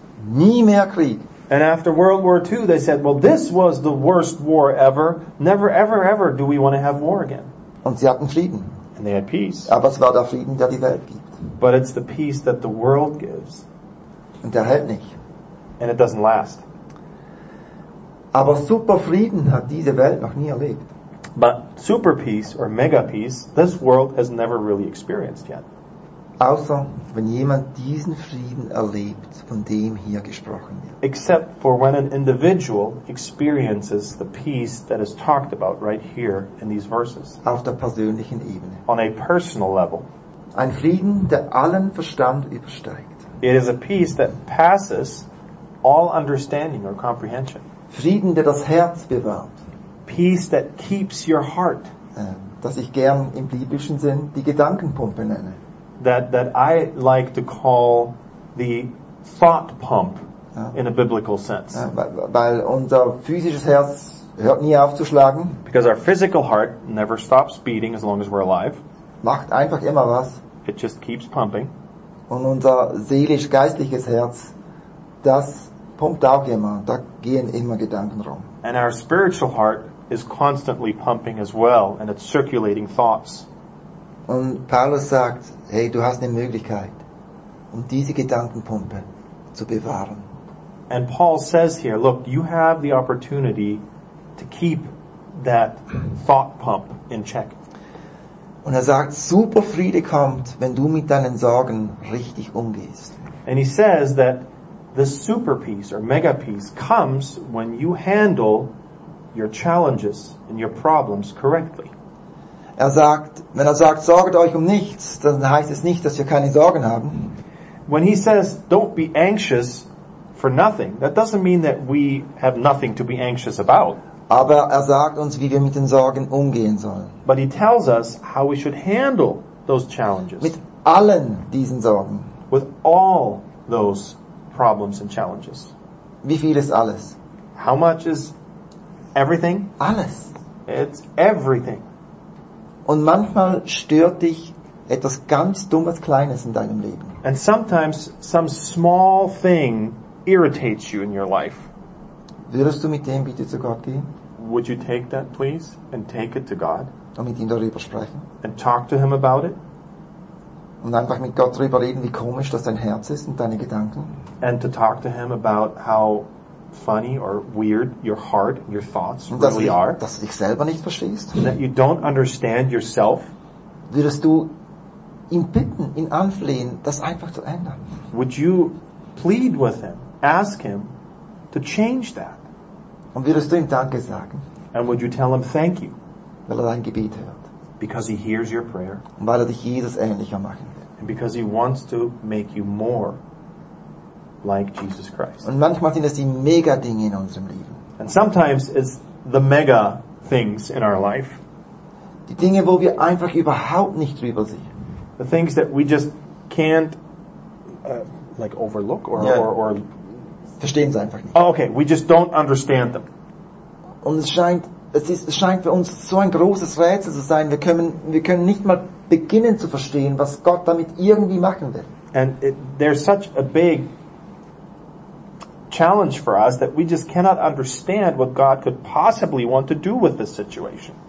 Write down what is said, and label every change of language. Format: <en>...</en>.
<de>Nie mehr Krieg.</de> <en>And after World War II, they said, well, this was the worst war ever. Never, ever, ever do we want to have war again.</en> <de>Und sie hatten Frieden.</de> <en>And they had peace.</en> <de>Aber es war der Frieden, der die Welt gibt.</de> <en>But it's the peace that the world gives.</en> <de>Und der hält nicht.</de> <en>And it doesn't last.</en> <de>Aber super Frieden hat diese Welt noch nie erlebt.</de> <en>But super peace or mega peace, this world has never really experienced yet.</en> <de>Außer wenn jemand diesen Frieden erlebt, von dem hier gesprochen wird.</de> <en>Except for when an individual experiences the peace that is talked about right here in these verses.</en> <de>Auf der persönlichen Ebene.</de> <en>On a personal level.</en> <de>Ein Frieden, der allen Verstand übersteigt.</de> <en>It is a peace that passes all understanding or comprehension.</en> <de>Frieden, der das Herz bewahrt.</de> <en>Peace that keeps your heart.</en> <de>Dass ich gern im biblischen Sinn die Gedankenpumpe nenne.</de> <en>That I like to call the thought pump in a biblical sense.</en> <de>Weil unser physisches Herz hört nie auf zu schlagen.</de> <en>Because our physical heart never stops beating as long as we're alive.</en> <de>Macht einfach immer was.</de> <en>It just keeps pumping.</en> <de>Und unser seelisch-geistliches Herz, das pumpt auch immer. Da gehen immer Gedanken rum.</de> <en>And our spiritual heart is constantly pumping as well, and it's circulating thoughts.</en> <de>Und Paulus sagt, hey, du hast eine Möglichkeit, um diese Gedankenpumpe zu bewahren.</de> <en>And Paul says here, look, you have the opportunity to keep that thought pump in check.</en> <de>Und er sagt, super Friede kommt, wenn du mit deinen Sorgen richtig umgehst.</de> <en>And he says that the super peace or mega peace comes when you handle your challenges and your problems correctly.</en> <de>Er sagt, wenn er sagt, sorgt euch um nichts, dann heißt es nicht, dass wir keine Sorgen haben.</de> <en>When he says, don't be anxious for nothing, that doesn't mean that we have nothing to be anxious about.</en> <de>Aber er sagt uns, wie wir mit den Sorgen umgehen sollen.</de> <en>But he tells us how we should handle those challenges.</en> <de>Mit allen diesen Sorgen.</de> <en>With all those problems and challenges.</en> <de>Wie viel ist alles?</de> <en>How much is everything?</en> <de>Alles.</de> <en>It's everything.</en> <de>Und manchmal stört dich etwas ganz Dummes Kleines in deinem Leben.</de> <en>And sometimes some small thing irritates you in your life.</en> <de>Würdest du mit dem bitte zu Gott gehen?</de> <en>Would you take that please and take it to God?</en> <de>Und mit ihm darüber sprechen?</de> <en>And talk to him about it?</en> <de>Und einfach mit Gott darüber reden, wie komisch das dein Herz ist und deine Gedanken?</de> <en>And to talk to him about how funny or weird your heart and your thoughts really are.</en> <de>Dass du dich selber nicht verstehst.</de> <en>That you don't understand yourself.</en> <de>Würdest du ihn bitten, ihn anflehen, das einfach zu ändern?</de> <en>Would you plead with him, ask him to change that?</en> <de>Und würdest du ihm Danke sagen?</de> <en>And would you tell him thank you?</en> <de>Weil er dein Gebet hört.</de> <en>Because he hears your prayer.</en> <de>Und weil er dich Jesus ähnlicher machen will.</de> <en>And because he wants to make you more like Jesus Christ.</en> <de>Und manchmal sind das die mega Dinge in unserem Leben.</de> <en>And sometimes it's the mega things in our life.</en> <de>Die Dinge, wo wir einfach überhaupt nicht drüber sehen.</de> <en>The things that we just can't overlook or, yeah. or</en> <de>verstehen sie einfach nicht.</de> <en>Oh, okay, we just don't understand them.</en> <de>Und es scheint für uns so ein großes Rätsel zu sein. Wir können nicht mal beginnen zu verstehen, was Gott damit irgendwie machen will.</de> <en>And there's such a big challenge for us that we just cannot understand what God could possibly want to do with this situation.</en>